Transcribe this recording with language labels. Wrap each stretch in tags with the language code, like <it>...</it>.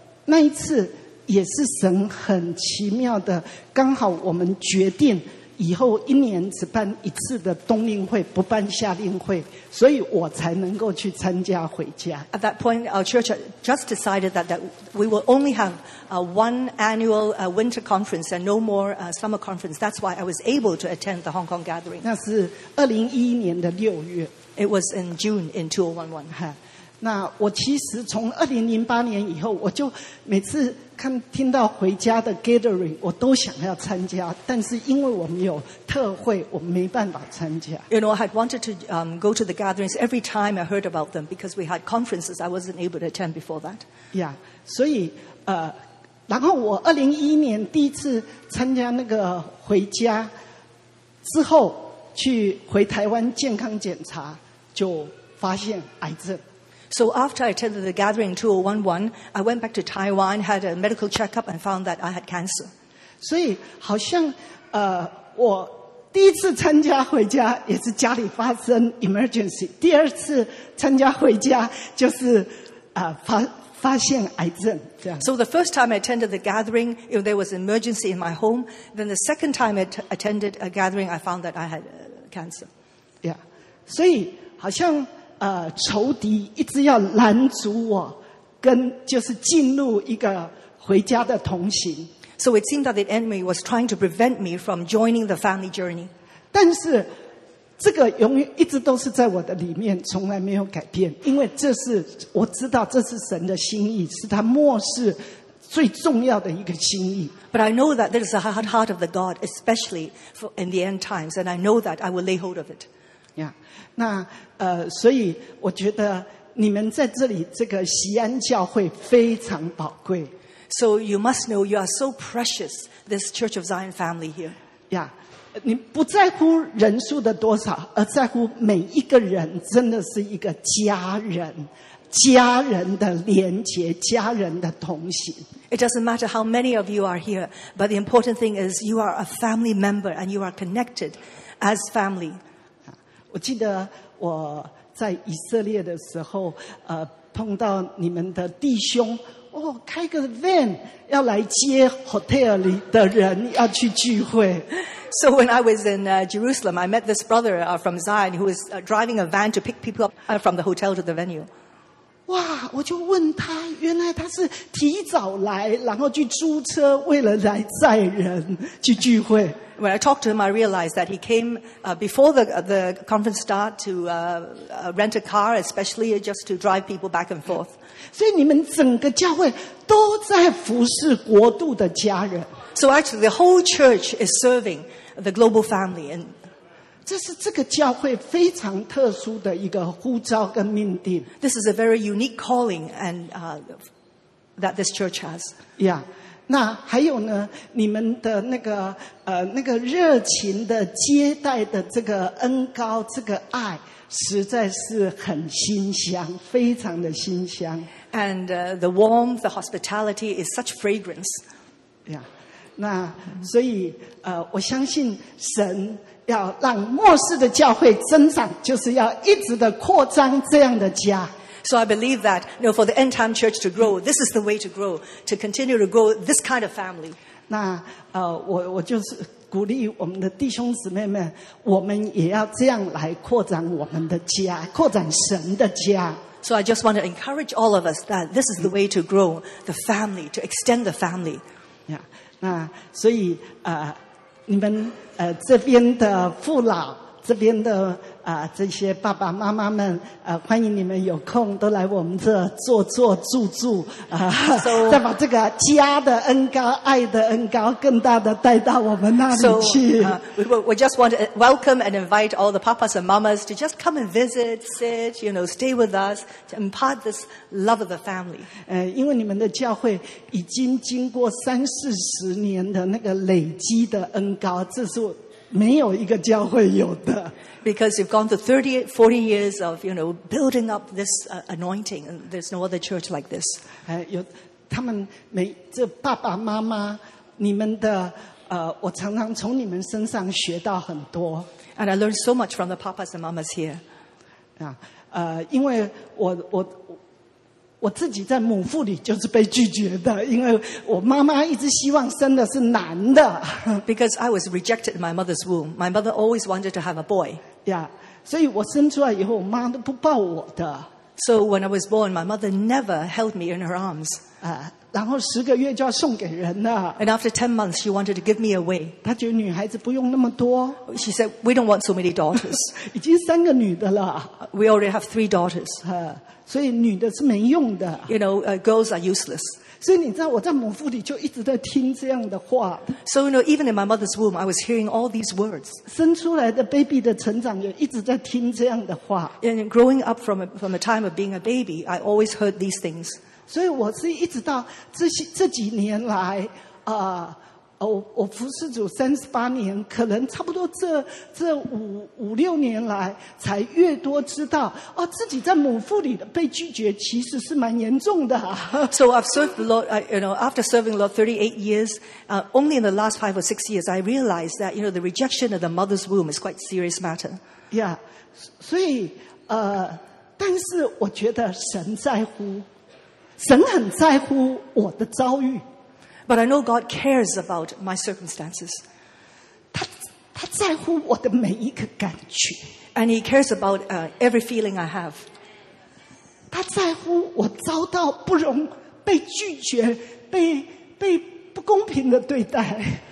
<zh>那一次也是神很奇妙的，刚好我们决定以后一年只办一次的冬令会，不办夏令会，所以我才能够去参加回家。</zh> <en>At that point, our church just decided that we will only have one annual winter conference and no more summer conference. That's why I was able to attend the Hong Kong gathering.</en> <zh>那是2011年的六月。</zh> <en>It was in June in 2011. 哈，</en> <zh>那我其实从2008年以后，我就每次看听到回家的 gathering 我都想要参加，但是因为我们有特会我没办法参加。</zh> <en>You know, I had wanted to go to the gatherings every time I heard about them because we had conferences I wasn't able to attend before that.</en> <zh>Yeah, 所以然后我2011年第一次参加那个回家之后去回台湾健康检查就发现癌症。</zh> <en>So after I attended the gathering 2011, I went back to Taiwan, had a medical checkup, and found that I had cancer.</en> <zh>所以好像我第一次参加回家也是家里发生 emergency， 第二次参加回家就是发现癌症。</zh> <en>So the first time I attended the gathering, you know, there was an emergency in my home. Then the second time I attended a gathering, I found that I had cancer. Yeah.</en> <zh>所以好像仇敌一直要拦阻我跟就是进入一个回家的同行。</zh> <en>So it seemed that the enemy was trying to prevent me from joining the family journey.</en> <zh>但是这个永远一直都是在我的里面，从来没有改变，因为这是我知道这是神的心意，是他漠视最重要的一个心意。</zh> <en>But I know that this is the heart of the God, especially for in the end times, and I know that I will lay hold of it. Yeah.</en> <zh>那所以我觉得你们在这里这个锡安教会非常宝贵。</zh> <en>So you must know you are so precious, this Church of Zion family here. Yeah.</en> <zh>你不在乎人数的多少，而在乎每一个人真的是一个家人，家人的连结，家人的同行。</zh> <en>It doesn't matter how many of you are here, but the important thing is you are a family member and you are connected as family.</en> <zh>我记得我在以色列的时候碰到你们的弟兄哦，开个 van 要来接 hotel 里的人要去聚会。</zh> <en>So when I was in Jerusalem I met this brother from Zion who was driving a van to pick people up from the hotel to the venue.</en> <zh>哇，我就问他，原来他是提早来然后去租车为了来载人去聚会。</zh> <en>When I talked to him, I realized that he came before the conference start to rent a car, especially just to drive people back and forth.</en> <zh>所以你们整个教会都在服侍国度的家人。</zh> <en>So actually, the whole church is serving the global family.</en> <zh>这是这个教会非常特殊的一个呼召跟命定。</zh> <en>This is a very unique calling and that this church has. Yeah.</en> <zh>那还有呢，你们的那个热情的接待的这个恩膏，这个爱实在是很馨香，非常的馨香。</zh> <en>And the warmth, the hospitality is such fragrance. Yeah.</en> <zh>那所以我相信神要让末世的教会增长，就是要一直的扩张这样的家。</zh> <en>So I believe that, you know, for the end time church to grow, this is the way to grow, to continue to grow this kind of family.</en> <zh>那我就是鼓励我们的弟兄姊妹们，我们也要这样来扩展我们的家，扩展神的家。</zh> <en>So I just want to encourage all of us that this is the way to grow the family, to extend the family. Yeah.</en> <zh>那所以你们这边的父老这边的这些爸爸妈妈们欢迎你们有空都来我们这坐坐住住再把这个家的恩膏爱的恩膏更大的带到我们那里去。</zh> <en>We just want to welcome and invite all the papas and mamas to just come and visit, sit, you know, stay with us, to impart this love of the family.</en> <zh>因为你们的教会已经经过三四十年的那个累积的恩膏，这是没有一个教会有的。</zh> <en>Because you've gone through 30, 40 years of, you know, building up this anointing, and there's no other church like this.</en> <zh>有他们每这爸爸妈妈，你们的我常常从你们身上学到很多。</zh> <en>And I learned so much from the papas and mamas here.</en> <zh>因为我自己在母腹里就是被拒绝的，因为我妈妈一直希望生的是男的。</zh> <en>Because I was rejected in my mother's womb. My mother always wanted to have a boy. Yeah.</en> <zh>所以我生出来以后，我妈都不抱我的。</zh> <en>So when I was born, my mother never held me in her arms.</en> <zh>然后十个月就要送给人了。</zh> <en>And after 10 months, she wanted to give me away.</en> <zh>她觉得女孩子不用那么多。</zh> <en>She said, we don't want so many daughters.</en> <zh>已经三个女的了。</zh> <en>We already have 3 daughters.</en> <zh>所以女的是没用的。</zh> <en>You know, girls are useless.</en> <zh>所以你知道我在母腹里就一直在听这样的话。</zh> <en>So, you know, even in my mother's womb, I was hearing all these words.</en> <zh>生出来的 baby 的成长也一直在听这样的话。</zh> <en>And growing up from the time of being a baby, I always heard these things.</en> <zh>所以我是一直到这几年来我服侍主38年，可能差不多这五六年来才越多知道自己在母腹里的被拒绝其实是蛮严重的。</zh> <en>So I've served the Lord, you know, after serving the Lord 38 years, only in the last 5 or 6 years I realized that, you know, the rejection of the mother's womb is quite a serious matter. Yeah.</en> <zh>所以但是我觉得神在乎，神很在乎我的遭遇。</zh> <en>But I know God cares about my circumstances.</en> <zh>他在乎我的每一个感觉。</zh> <en>And he cares about every feeling I have.</en> <zh>他在乎我遭到不容被拒绝被不公平的对待。</zh>